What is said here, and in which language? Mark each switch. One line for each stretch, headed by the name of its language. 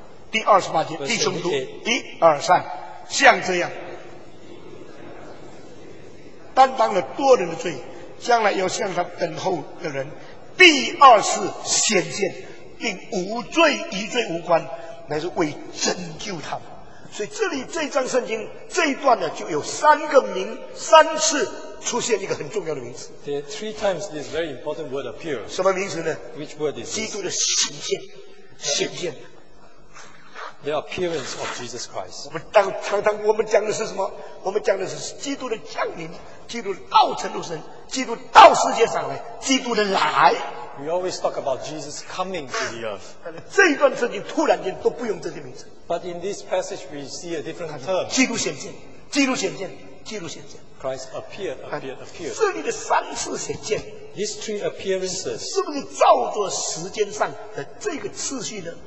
Chinese: 第28节, 弟兄读, 一, 二, 三, 像这样, 担当了多人的罪, 将来要向他等候的人, 第二次显现, 并无罪与罪无关, 乃是为拯救他们。所以这里这张圣经, 这一段呢, 就有三个名, 三次, 出现一个很重要的名词。
English: There are three times this very important word appears.
Chinese: 什么名词呢?
English: Which word is it?
Chinese: 基督的显现, 显现。
English: The appearance of Jesus Christ.
Chinese: 我们常常我们讲的是什么？我们讲的是基督的降临，基督道成肉身，基督到世界上来，基督的来。
English: We always talk about Jesus coming to the earth.
Chinese: 这一段圣经突然间都不用这些名字。
English: But in this passage, we see a different term.
Chinese: 基督显现，基督显现，基督显现。
English: Christ appeared, appeared, appeared.
Chinese: 这里的三次显现。
English: These three appearances.
Chinese: 是不是照着时间上的这个次序呢？